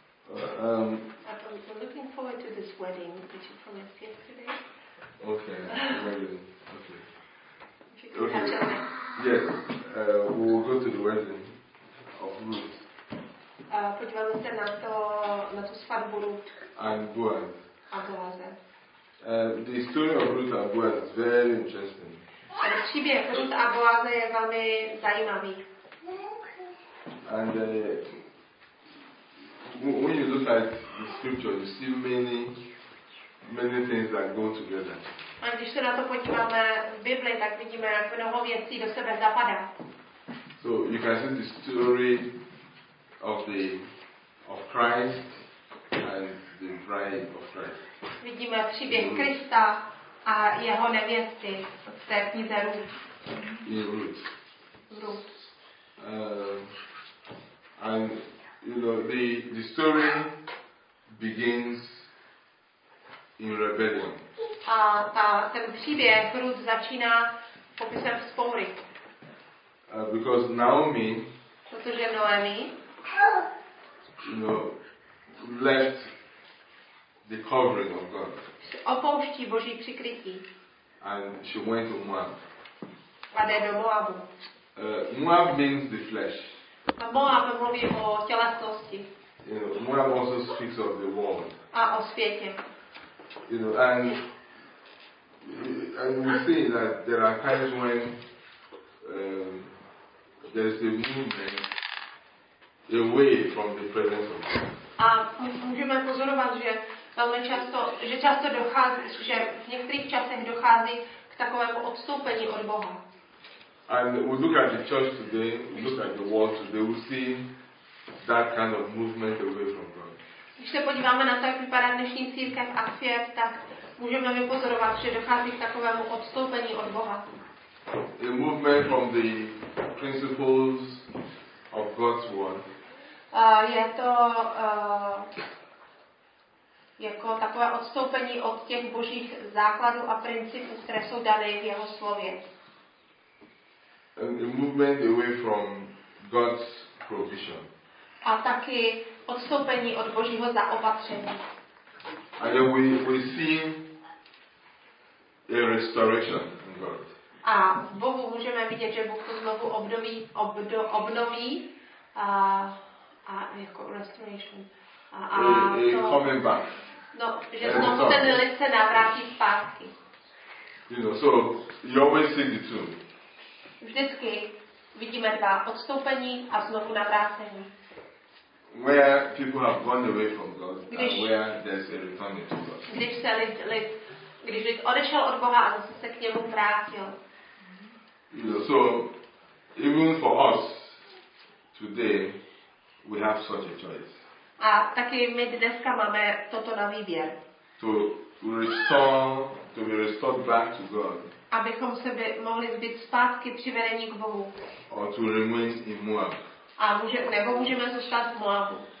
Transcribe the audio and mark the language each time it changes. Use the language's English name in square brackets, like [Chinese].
[English] We're looking forward to this wedding that you promised yesterday. Okay, wedding. Okay. Okay. Yes, we will go to the wedding of Ruth. [Czech] Podíváme se na tu svatbu Ruth. [English] And Boaz. [Czech] A Boaze. [English] The story of Ruth and Boaz is very interesting. [Czech] Příběh Ruth a Boaze je velmi zajímavý. [English] And when you look at the scripture, you see many things that go together. [Czech] A když se na to podíváme v Bibli, tak vidíme, jak mnoho věcí do sebe zapadá. [English] So you can see the story of Christ and the bride of Christ. [Czech] Vidíme příběh Krista a jeho nevěsty v té knize Ruth. [English] In Ruth. [Czech] Ruth. [English] And you know the story begins in rebellion. [Czech] A ta, ten příběh Ruth začíná popisem vzpoury. [English] Because Naomi, [Czech] protože Noemi, [English] you know, left the covering of God. [Czech] Opouští Boží přikrytí. [English] And she went to Moab. [Czech] A jde do Moabu. [English] Moab means the flesh. [Czech] A Moab mluví o tělesnosti. [English] You know, Moab also speaks of the world. [Czech] A o světě. [English] You know, and we see that there are times when there is a movement away from the presence of God. [Czech] A můžeme pozorovat, že velmi často, že často dochází, že v některých časech dochází k takovému odstoupení od Boha. [English] And we look at the church today, we look at the world today, we see that kind of movement away from God. [Czech] Když se podíváme na to, jak vypadá dnešní církev a svět, tak můžeme vypozorovat, že dochází k takovému odstoupení od Boha. [English] A movement from the principles of God's word. [Czech] Je to jako takové odstoupení od těch Božích základů a principů, které jsou dané v jeho slově. [English] A movement away from God's provision. [Czech] A taky odstoupení od Božího zaopatření. [English] And then we see a restoration in God. [Czech] A v Bohu můžeme vidět, že Bůh to znovu obnoví, obnoví a jako restoration. [English] Coming back. [Czech] No, že znovu ten lid se navrátí zpátky. [English] You know, so you always see the two. [Czech] Vždycky vidíme dva, odstoupení a znovu navrácení. [English] Where people have gone away from God, když, and where there's a returning to God. [Czech] Když se lid odešel od Boha a zase se k němu vrátil. [English] You know, so even for us today, we have such a choice. [Czech] A taky my dneska máme toto na výběr. [English] To be restored back to God. [Czech] Abychom se mohli být zpátky přivedení k Bohu. [English] Or to remain in Moab. [Czech] A nebo můžeme zůstat v Moabu.